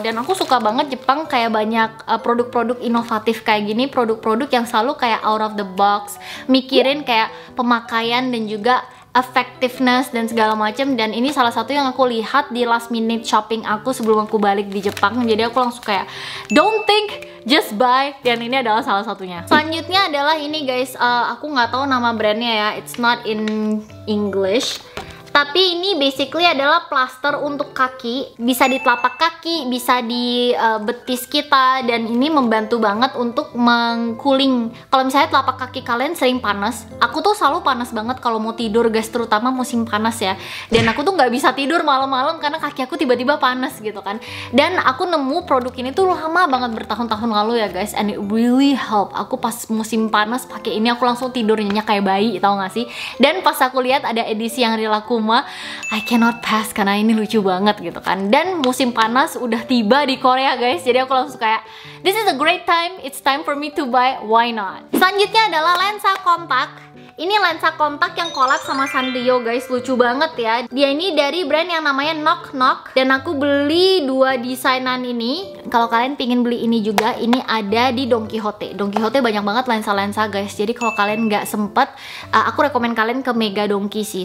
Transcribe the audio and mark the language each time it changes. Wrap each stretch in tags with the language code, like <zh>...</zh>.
<id>Dan aku suka banget Jepang kayak banyak produk-produk inovatif kayak gini, produk-produk yang selalu kayak</id> <en>out of the box,</en> <id>mikirin kayak pemakaian dan juga effectiveness dan segala macam. Dan ini salah satu yang aku lihat di last minute shopping aku sebelum aku balik di Jepang. Jadi aku langsung kayak</id> <en>don't think, just buy.</en> <id>Dan ini adalah salah satunya. Selanjutnya adalah ini guys, aku gak tahu nama brandnya ya,</id> <en>it's not in English.</en> <id>Tapi ini basically adalah plaster untuk kaki, bisa di telapak kaki, bisa di betis kita, dan ini membantu banget untuk mengkuling. Kalau misalnya telapak kaki kalian sering panas, aku tuh selalu panas banget kalau mau tidur guys, terutama musim panas ya. Dan aku tuh nggak bisa tidur malam-malam karena kaki aku tiba-tiba panas gitu kan. Dan aku nemu produk ini tuh lama banget, bertahun-tahun lalu ya guys,</id> <en>and it really help.</en> <id>Aku pas musim panas pakai ini, aku langsung tidurnya kayak bayi, tau nggak sih? Dan pas aku lihat ada edisi yang rilaku Kuma,</id> <en>I cannot pass</en> <id>karena ini lucu banget gitu kan. Dan musim panas udah tiba di Korea guys, jadi aku langsung kayak</id> <en>this is a great time, it's time for me to buy, why not.</en> <id>Selanjutnya adalah lensa kontak. Ini lensa kontak yang collab sama Sanrio guys, lucu banget ya. Dia ini dari brand yang namanya Knock Knock, dan aku beli dua desainan ini. Kalau kalian pingin beli ini juga, ini ada di Don Quixote. Don Quixote banyak banget lensa-lensa guys. Jadi kalau kalian nggak sempet, aku rekomen kalian ke Mega Donki sih.</id>